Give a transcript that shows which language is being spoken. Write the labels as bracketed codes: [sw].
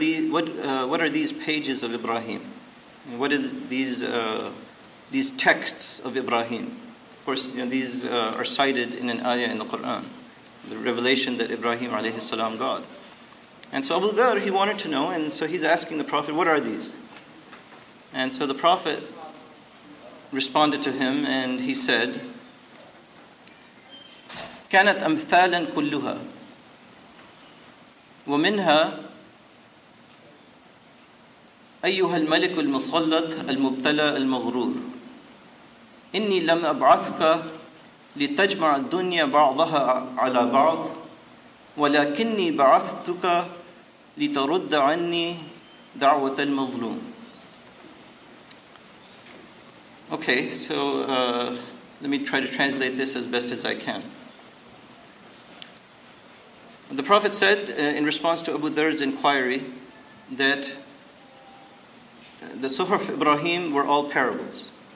[en] What are these pages of Ibrahim? What is these texts of Ibrahim?" Of course, you know, these are cited in an ayah in the Quran, the revelation that Ibrahim alayhi salam got. And so Abu Dharr, he wanted to know, and so he's asking the Prophet, "What are these?" And so the Prophet responded to him, and he said, [ar] "Kanat amthalan kulluha, wa minha أيها الملك المسلط المبتلى المغرور إني لم أبعثك لتجمع الدنيا بعضها على بعض ولكني بعثتك لترد عني دعوة المظلوم." [en] Okay, so let me try to translate this as best as I can. The Prophet said in response to Abu Dharr's inquiry that the Suhuf Ibrahim were all parables.